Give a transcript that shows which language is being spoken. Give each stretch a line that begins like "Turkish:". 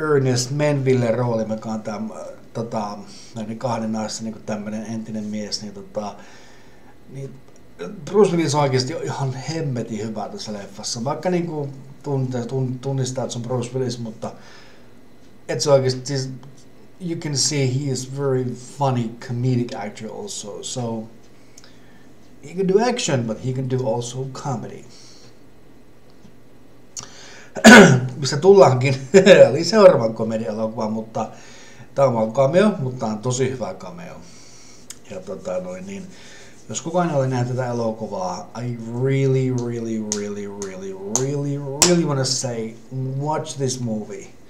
Finnish: Ernest Menville rooli, mikä on tämän näiden kahden naisen niin tämmöinen entinen mies. Niin Bruce Willis oikeasti on ihan hemmetin hyvä tässä leffassa. Vaikka niin kuin tunnistaa, että se on Bruce Willis, mutta et se oikeasti, siis
English: you can see he is very funny comedic actor also. So he can do action, but he can do also comedy.
Finnish: Missä tullaankin eli seuraavan komedialokuvan, mutta tämä on cameo, mutta tämä on tosi hyvä cameo. Ja jos kukaan ei ole nähnyt tätä elokuvaa,
English: I really, really, really, really, really, really want to say, watch this movie.